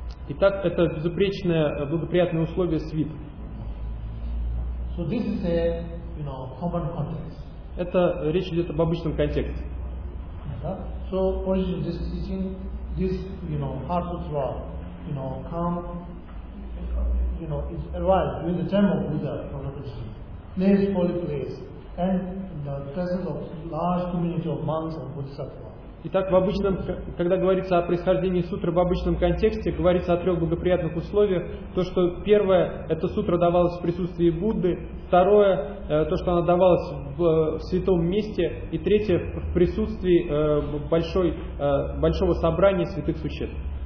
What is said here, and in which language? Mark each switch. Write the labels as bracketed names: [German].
[Russian] Итак, это безупречное благоприятное условие свит. [English] So this is a, common context. [Russian] Это речь идет об обычном контексте. [English] So originally this teaching, this heart sutra, it arrived during the time of Buddha, from the place, holy place, and the presence of large community of monks and bodhisattva. [Russian] Итак, в обычном, когда говорится о происхождении сутры в обычном контексте, говорится о трех благоприятных условиях. То, что первое, эта сутра давалась в присутствии Будды. Второе, то, что она давалась в святом месте. И третье, в присутствии большого собрания святых существ.